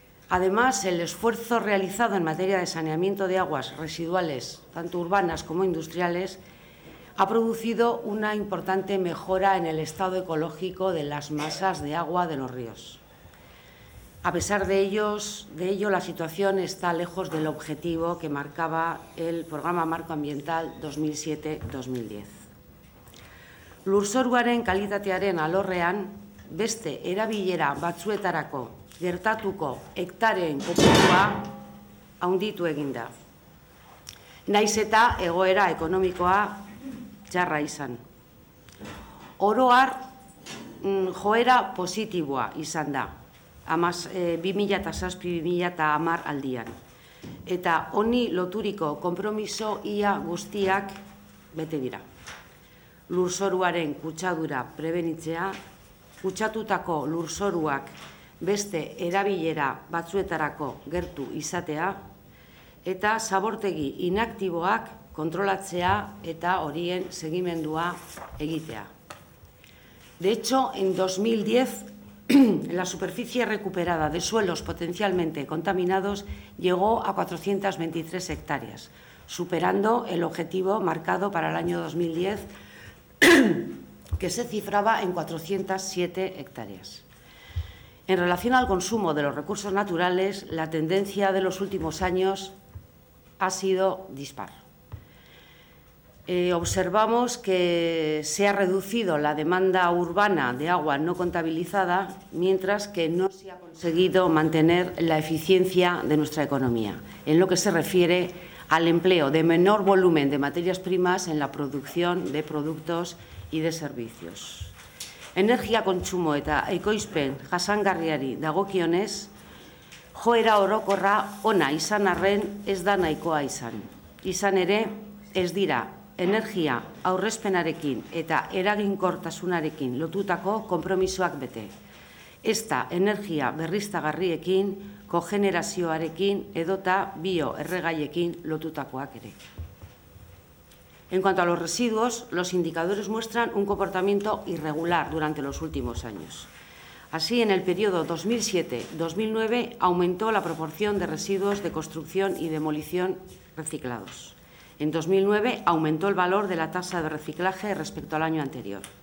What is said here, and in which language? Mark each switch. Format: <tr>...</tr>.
<es>Además, el esfuerzo realizado en materia de saneamiento de aguas residuales, tanto urbanas como industriales, ha producido una importante mejora en el estado ecológico de las masas de agua de los ríos. A pesar de ello, la situación está lejos del objetivo que marcaba el Programa Marco Ambiental 2007-2010.</es> <eu>Lurzoruaren kalitatearen alorrean, beste erabilera batzuetarako gertatuko hektaren kopurua handitu egin da. Naiz eta egoera ekonomikoa txarra izan. Oro har, joera positiboa izan da. 2007-2010 aldian. Eta honi loturiko konpromiso ia guztiak bete dira. Lurzoruaren kutsadura prebenitzea, kutsatutako lurzoruak beste erabilera batzuetarako gertu izatea, eta zabortegi inaktiboak kontrolatzea eta horien segimendua egitea.</eu> <es>De hecho, en 2010, la superficie recuperada de suelos potencialmente contaminados llegó a 423 hectáreas, superando el objetivo marcado para el año 2010, que se cifraba en 407 hectáreas. En relación al consumo de los recursos naturales, la tendencia de los últimos años ha sido dispar. Observamos que se ha reducido la demanda urbana de agua no contabilizada, mientras que no se ha conseguido mantener la eficiencia de nuestra economía, en lo que se refiere al empleo de menor volumen de materias primas en la producción de productos y de servicios.</es> <eu>Energia kontsumo eta ekoizpen jasangarriari dagokionez, joera orokorra ona izan arren ez da nahikoa izan. Izan ere, ez dira energia aurrezpenarekin eta eraginkortasunarekin lotutako konpromisoak bete. Ez da energia berriztagarriekin, kogenerazioarekin edota bioerregaiekin lotutakoak ere.</eu> <es>En cuanto a los residuos, los indicadores muestran un comportamiento irregular durante los últimos años. Así, en el periodo 2007-2009 aumentó la proporción de residuos de construcción y demolición reciclados. En 2009 aumentó el valor de la tasa de reciclaje respecto al año anterior.</es>